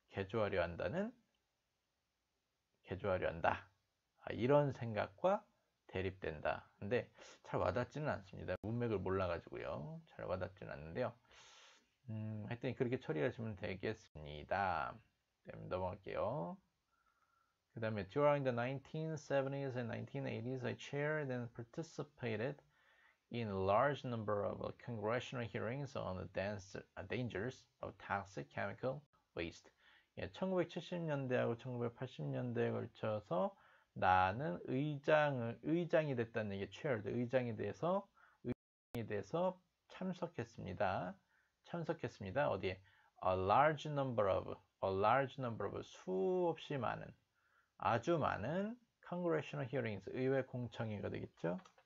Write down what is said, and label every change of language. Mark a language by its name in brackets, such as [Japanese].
[Korean] 개조하려 한다. 이런 생각과 대립된다. 근데 잘 와닿지는 않습니다. 문맥을 몰라가지고요. 잘 와닿지는 않는데요. 하여튼 그렇게 처리하시면 되겠습니다. 넘어갈게요. 그 다음에 [English] During the 1970s and 1980s, I chaired and participated in a large number of congressional hearings on the dangers of toxic chemical waste. [Korean] 예, 1970년대하고 1980년대에 걸쳐서 나는 의장이 됐다는 얘기, chaired, 의장이 돼서 참석했습니다. 참석했습니다. 어디에? [English] A large number of [Korean] 수없이 많은 아주 많은 congressional hearings 의회 공청회가 되겠죠?